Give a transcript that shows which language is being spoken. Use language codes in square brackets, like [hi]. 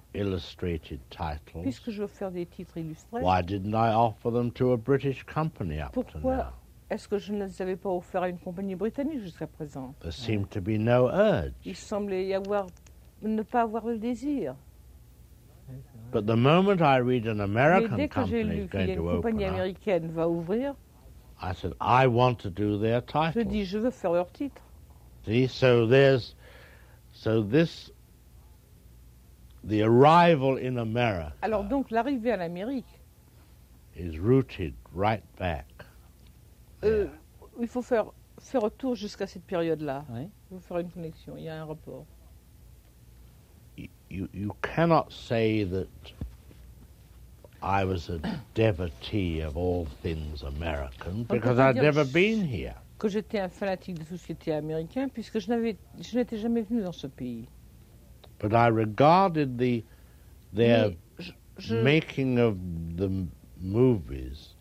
[en] illustrated titles, [fr] puisque je veux faire des titres illustrés, [en] why didn't I offer them to a British company up [fr] pourquoi [en] to now? [fr] Est-ce que je ne les avais pas offerts à une compagnie britannique jusqu'à présent? [en] There seemed to be no urge. [fr] Il semblait y avoir ne pas avoir le désir. [en] But the moment I read an American company is going to open up, [fr] une compagnie américaine va ouvrir, [en] I said, I want to do their titles. [fr] Je dis, je veux faire leurs titres. [en] See, so there's, so this, the arrival in America. [fr] Alors donc l'arrivée en Amérique [en] is rooted right back. [fr] Il faut faire retour jusqu'à cette période-là. Oui. Il faut faire une connexion. Il y a un rapport. [en] You cannot say that I was a devotee of all things American because I'd never been here. [fr] Que j'étais un fanatique de société américaine puisque je n'étais jamais venu dans ce pays. [en] But I regarded their making of the movies